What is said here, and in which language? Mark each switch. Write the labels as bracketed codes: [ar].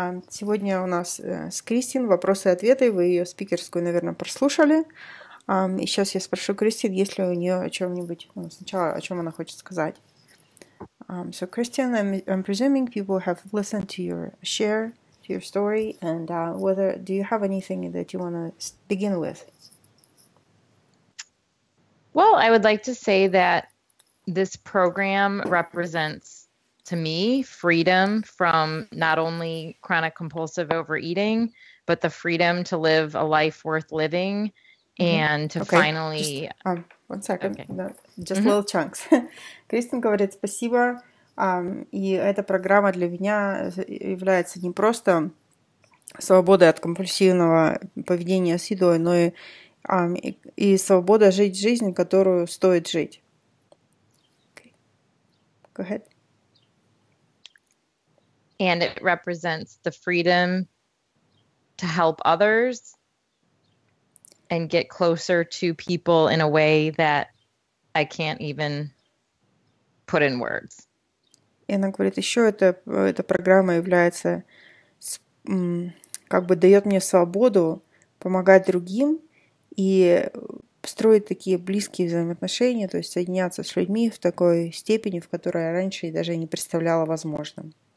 [ru] Сегодня у нас с Кристин вопросы и ответы. Вы ее спикерскую, наверное, прослушали. И сейчас я спрошу Кристин, есть ли у нее о чем-нибудь, ну, сначала о чем она хочет сказать. [en] So, Kristin, I'm presuming people have listened to your share, to your story, and whether do you have anything that you want to begin with? Well, I would like to say that this program represents, to me, freedom from not only chronic compulsive overeating, but the freedom to live a life worth living and to finally... One second, okay. Little chunks. [ru] Кристин говорит спасибо, и эта программа для меня является не просто свободой от компульсивного поведения с едой, но и свобода жить жизнь, которую стоит жить. [en] Okay. Go ahead. And it represents the freedom to help others and get closer to people in a way that I can't even put in words. [ru] И она говорит, еще эта программа является, как бы дает мне свободу помогать другим и строить такие близкие взаимоотношения, то есть соединяться с людьми в такой степени, в которой я раньше даже не представляла возможным.